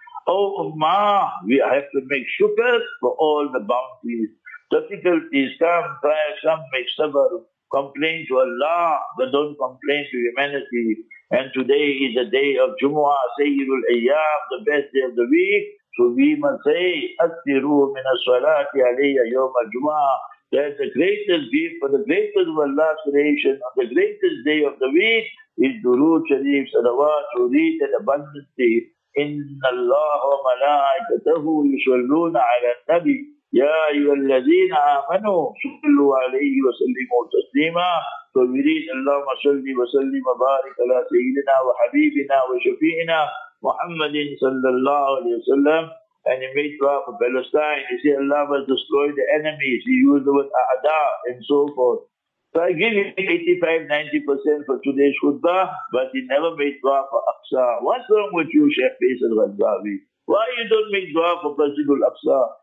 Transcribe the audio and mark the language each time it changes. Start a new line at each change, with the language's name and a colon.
English: Oh Ummah, we have to make shukr for all the bounties. Difficulties come, try some, make sabr. Complain to Allah, but don't complain to humanity. And today is the day of Jumu'ah, Sayyidul Ayyam, the best day of the week. So we must say,
Arabic: أَثِّرُوا مِنَ الصَّلَاةِ عَلَيَّ يَوْمَ جُمَعَةِ.
English: That the greatest gift for the greatest of Allah's creation on the greatest day of the week is Durood Sharif Salawat, to read it abundantly.
Arabic: إِنَّ اللَّهَ وَمَلَائِكَتَهُ يُصَلُّونَ عَلَى النَّبِيِّ يَا أَيُّهَا الَّذِينَ آمَنُوا صَلُّوا عَلَيْهِ وَسَلِّمُوا تَسْلِيمًا.
English: So we read,
Arabic: اللهم صل وسلم وبارك على سيدنا وحبيبنا وشفيعنا محمد صلى الله عليه وسلم.
English: And he made dua for Palestine. He said, Allah must destroy the enemies. He used the word a'da and so forth. So I give him 85-90% for today's khutbah, but he never made dua for Aqsa. What's wrong with you, Sheikh Faisal Ghazali? Why you don't make dua for Masjid al-Aqsa?